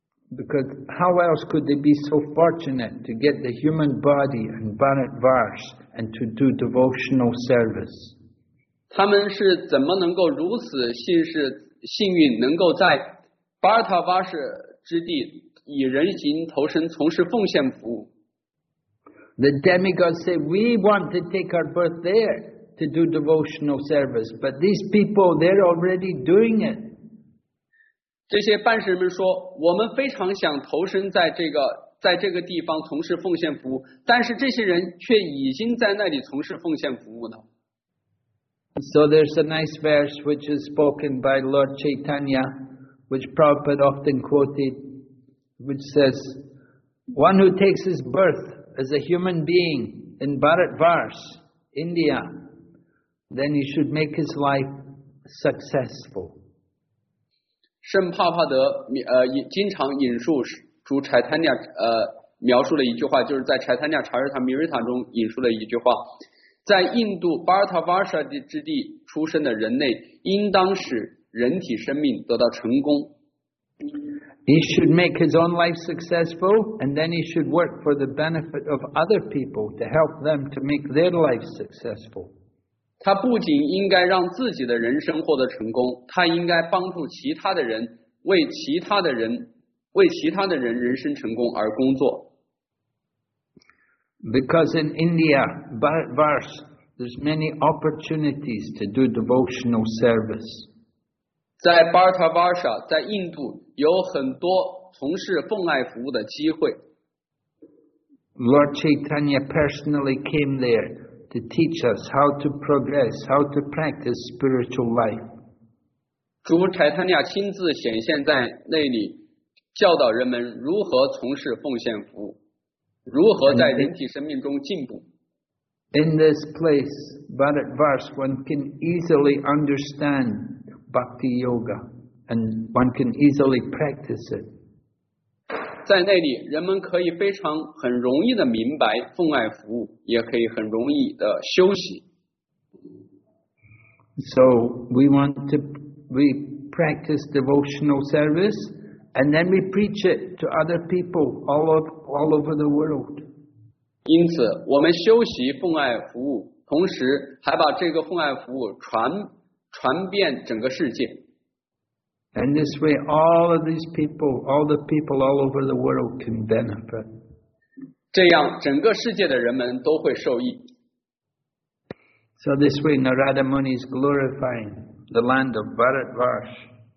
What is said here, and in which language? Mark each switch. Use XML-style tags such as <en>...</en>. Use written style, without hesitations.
<en>Because how else could they be so fortunate to get the human body and Bharat Vars and to do devotional service?</en> <zh>他们是怎么能够如此幸运能够在 Bharata Vars 之地以人形投身从事奉献服务。</zh> <en>The demigods say we want to take our birth there. To do devotional service, but these people, they're already doing it.</en> <zh>这些半神们说，我们非常想投身在这个地方从事奉献服务，但是这些人却已经在那里从事奉献服务了。</zh> <en>So there's a nice verse which is spoken by Lord Chaitanya, which Prabhupada often quoted, which says, "One who takes his birth as a human being in Bharat Vars, India." Then he should make his life successful.</en> <zh>圣帕帕德经常引述主柴坦尼亚描述了一句话，就是在柴坦尼亚查尔塔米瑞塔中引述了一句话，在印度巴尔塔瓦沙之地出生的人类应当使人体生命得到成功。</zh> <en>He should make his own life successful, and then he should work for the benefit of other people to help them to make their life successful.</en> <zh>他不仅应该让自己的人生获得成功，他应该帮助其他的人，为其他的人人生成功而工作。</zh> <en>Because in India, Bharatvarsha, there's many opportunities to do devotional service.</en> <zh>在 Bharatvarsha, 在印度有很多从事奉爱服务的机会。</zh> <en>Lord Chaitanya personally came there to teach us how to progress, how to practice spiritual life.</en> <zh>主 Chaitanya 亲自显现在那里，教导人们如何从事奉献服务。如何在人体生命中进步</zh> <en>？In this place, Bharatvarsha, one can easily understand Bhakti Yoga, and one can easily practice it.</en> <zh>在那里，人们可以非常很容易的明白奉爱服务，也可以很容易的修习。</zh> <en>So we practice devotional service. And then we preach it to other people all over the world.</en> <zh>因此，我们修习奉爱服务，同时还把这个奉爱服务传遍整个世界。</zh> <en>And this way, all of these people, all the people all over the world can benefit.</en> <zh>这样，整个世界的人们都会受益。</zh> <en>So this way, Narada Muni is glorifying the land of Bharatvarsha.</en>